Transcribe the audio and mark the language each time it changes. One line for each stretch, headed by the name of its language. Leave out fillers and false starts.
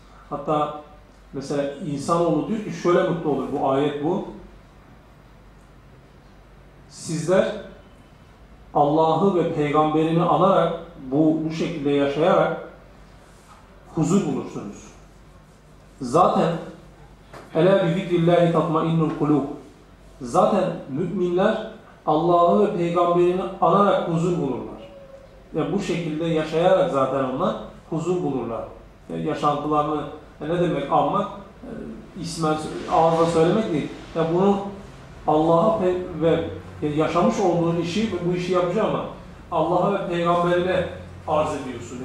Turkish: Hatta mesela insanoğlu diyor ki şöyle mutlu olur bu ayet bu. Sizler Allah'ı ve Peygamberini anarak, bu şekilde yaşayarak huzur bulursunuz. Zaten
Arabic: اَلَا بِذِكْرِ اللّٰهِ تَطْمَئِنُّ الْقُلُوبُ.
Turkish: Zaten müminler Allah'ı ve Peygamberini anarak huzur bulurlar. Yani bu şekilde yaşayarak zaten onlar huzur bulurlar. Yani yaşantılarını ne demek anmak? İsmen, ağızla söylemek değil. Yani bunu Allah'a ve yani yaşamış olduğun işi, bu işi yapacağım ama Allah'a ve Peygamberine arz ediyorsun.